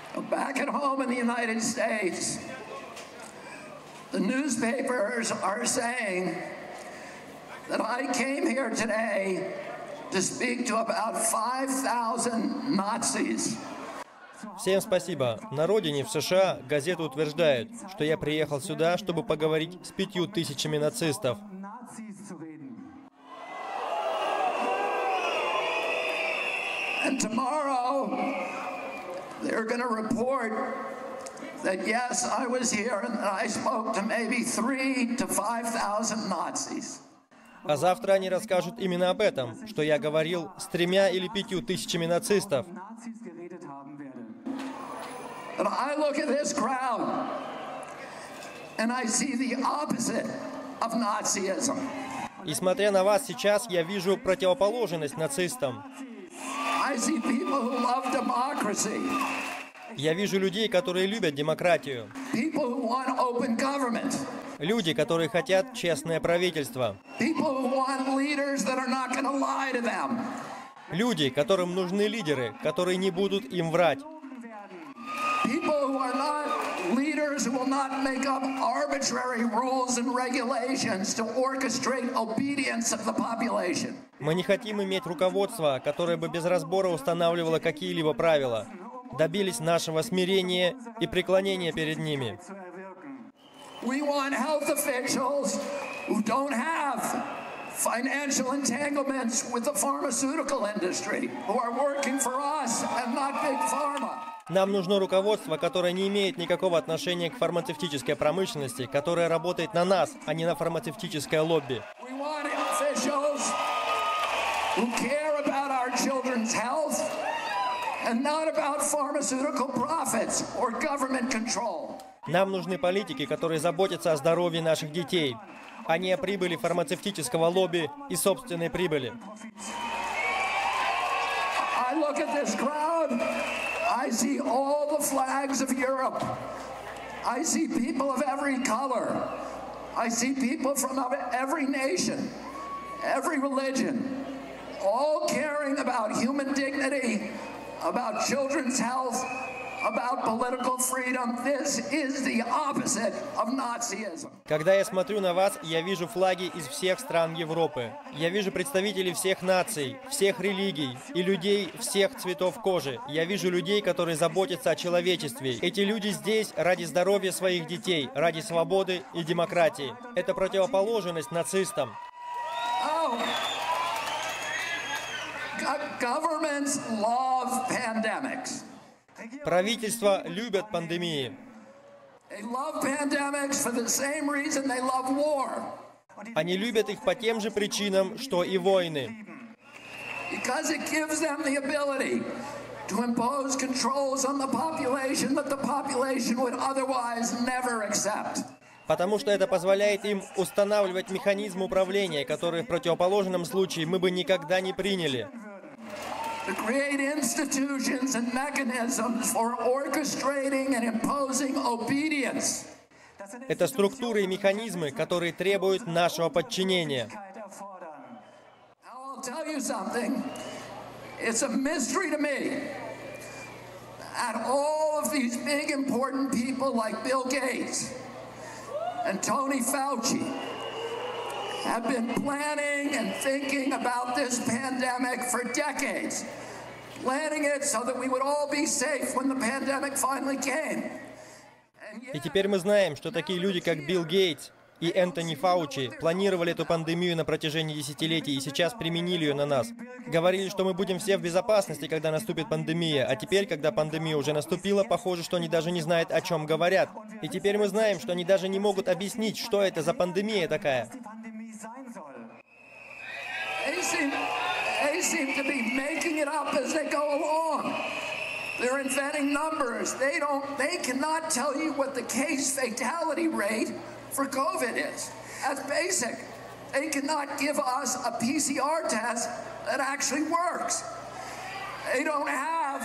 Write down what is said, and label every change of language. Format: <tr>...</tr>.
<en>back at home in the United States, the newspapers are saying that I came here today to speak to about 5,000 Nazis.</en> <ru>Всем спасибо. На родине, в США, газеты утверждают, что я приехал сюда, чтобы поговорить с 5000 нацистов.</ru> <en>And tomorrow they're going to report that yes, I was here and I spoke to maybe 3,000 to 5,000 Nazis.</en> <ru>А завтра они расскажут именно об этом, что я говорил с 3,000 или 5,000 нацистов.</ru> <en>And I look at this crowd and I see the opposite of Nazism.</en> <ru>И смотря на вас сейчас, я вижу противоположность нацистам.</ru> <en>I see people who love democracy.</en> <ru>Я вижу людей, которые любят демократию.</ru> <en>People who want open government.</en> <ru>Люди, которые хотят честное правительство.</ru> <en>People who want leaders that are not going to lie to them.</en> <ru>Люди, которым нужны лидеры, которые не будут им врать.</ru> <en>People who are not leaders who will not make up arbitrary rules and regulations to orchestrate obedience of the population.</en> <ru>Мы не хотим иметь руководство, которое бы без разбора устанавливало какие-либо правила, добились нашего смирения и преклонения перед ними.</ru> <en>We want health officials who don't have financial entanglements with the pharmaceutical industry, who are working for us and not big pharma.</en> <ru>Нам нужно руководство, которое не имеет никакого отношения к фармацевтической промышленности, которое работает на нас, а не на фармацевтическое лобби.</ru> <en>We want officials who care about our children's health and not about pharmaceutical profits or government control.</en> <ru>Нам нужны политики, которые заботятся о здоровье наших детей, а не о прибыли фармацевтического лобби и собственной прибыли.</ru> <en>I look at this crowd. I see all the flags of Europe. I see people of every color. I see people from every nation, every religion, all caring about human dignity, about children's health, about political freedom. This is the opposite of Nazism.</en> <ru>Когда я смотрю на вас, я вижу флаги из всех стран Европы. Я вижу представителей всех наций, всех религий и людей всех цветов кожи. Я вижу людей, которые заботятся о человечестве. Эти люди здесь ради здоровья своих детей, ради свободы и демократии. Это противоположность нацистам.</ru> <en>Governments love pandemics.</en> <ru>Правительства любят пандемии.</ru> <en>They love pandemics for the same reason they love war.</en> <ru>Они любят их по тем же причинам, что и войны.</ru> <en>Because it gives them the ability to impose controls on the population that the population would otherwise never accept.</en> <ru>Потому что это позволяет им устанавливать механизмы управления, которые в противоположном случае мы бы никогда не приняли.</ru> <en>To create institutions and mechanisms for orchestrating and imposing obedience.</en> <ru>Это структуры и механизмы, которые требуют нашего подчинения.</ru> <en>I'll tell you something. It's a mystery to me. At all of these big important people like Bill Gates and Tony Fauci have been planning and thinking about this pandemic for decades. Planning it so that we would all be safe when the pandemic finally came.</en> <ru>И теперь мы знаем, что такие люди, как Билл Гейтс и Энтони Фаучи, планировали эту пандемию на протяжении десятилетий и сейчас применили ее на нас. Говорили, что мы будем все в безопасности, когда наступит пандемия. А теперь, когда пандемия уже наступила, похоже, что они даже не знают, о чем говорят. И теперь мы знаем, что они даже не могут объяснить, что это за пандемия такая.</ru> <en>They seem to be making it up as they go along. They're inventing numbers. They cannot tell you what the case fatality rate for COVID is. That's basic. They cannot give us a PCR test that actually works. They don't have.</en>